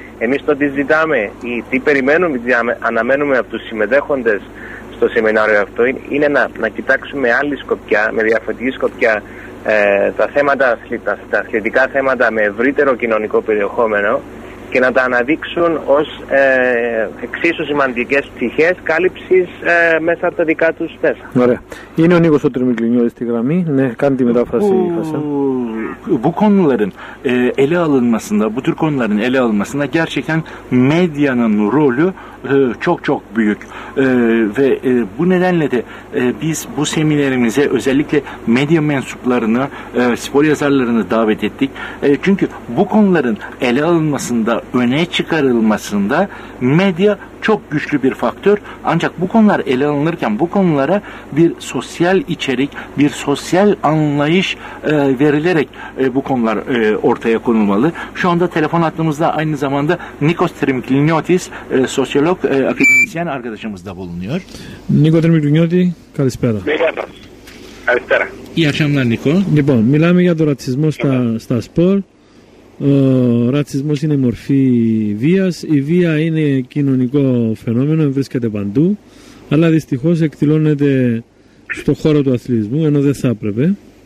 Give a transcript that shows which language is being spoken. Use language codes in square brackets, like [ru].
[el] Εμείς το τι ζητάμε ή τι περιμένουμε, τι αναμένουμε από τους συμμετέχοντες στο σεμινάριο αυτό είναι να κοιτάξουμε άλλη σκοπιά, με διαφορετική σκοπιά, τα θέματα, τα αθλητικά θέματα με ευρύτερο κοινωνικό περιεχόμενο και να τα αναδείξουν ως εξίσου σημαντικές πτυχές κάλυψης μέσα από τα δικά τους μέσα. Ωραία. Είναι ο Νίκος ο Τριμικλινιώδης στη γραμμή. Ναι, κάνει τη μετάφραση, Χασέν. [tr] Bu konuların ele alınmasında, bu tür konuların ele alınmasında gerçekten medyanın rolü çok çok büyük. Ve bu nedenle de biz bu seminerimize özellikle medya mensuplarını, spor yazarlarını davet ettik. Çünkü bu konuların ele alınmasında, öne çıkarılmasında medya çok güçlü bir faktör. Ancak bu konular ele alınırken bu konulara bir sosyal içerik, bir sosyal anlayış verilerek bu konular ortaya konulmalı. Şu anda telefon hattımızda aynı zamanda Nikos Trimiklinotis, sosyolog, akademisyen arkadaşımız da bulunuyor. Nikos Trimiklinotis, [el] kalispera. [tr] İyi akşamlar Niko. [el] Λοιπόν, μιλάμε για το ρατσισμό στα σπορ. Ο ρατσισμός είναι μορφή βίας. Η βία είναι κοινωνικό φαινόμενο, βρίσκεται παντού, αλλά δυστυχώς εκδηλώνεται στο χώρο του αθλητισμού, ενώ δεν θα έπρεπε.